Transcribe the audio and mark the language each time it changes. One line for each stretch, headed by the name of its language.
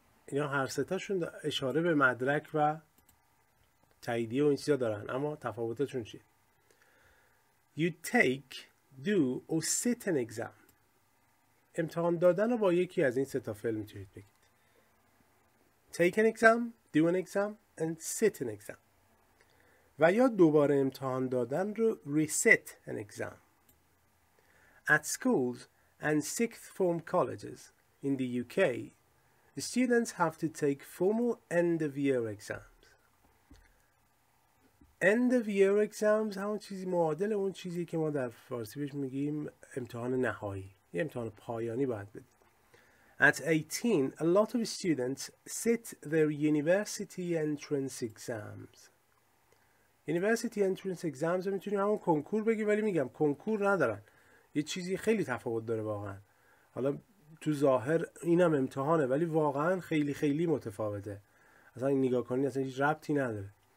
Persian: اینا هر سه تاشون اشاره به مدرک و تاییدیه و این چیزا دارن، اما تفاوتشون چیه؟
English: You take, do or sit an exam.
Persian: امتحان دادن رو با یکی از این سه تا فعل میتونید بگید.
English: Take an exam, do an exam and sit an exam.
Persian: و یا دوباره امتحان دادن رو
English: reset an exam. At schools and sixth form colleges in the UK, the students have to take formal end of year exams. End of year exams
Persian: همون چیزی معادل اون چیزی که ما در فارسی بهش میگیم امتحان نهایی. یه امتحان پایانی باید بده.
English: At 18, a lot of students sit their university entrance exams. University entrance exams
Persian: رو میتونیم همون کنکور بگیم، ولی میگم کنکور ندارن. یه چیزی خیلی تفاوت داره واقعا. حالا تو ظاهر اینم امتحانه، ولی واقعا خیلی خیلی متفاوته. اصلا نگاه کنی اصلا هیچ ربطی نداره.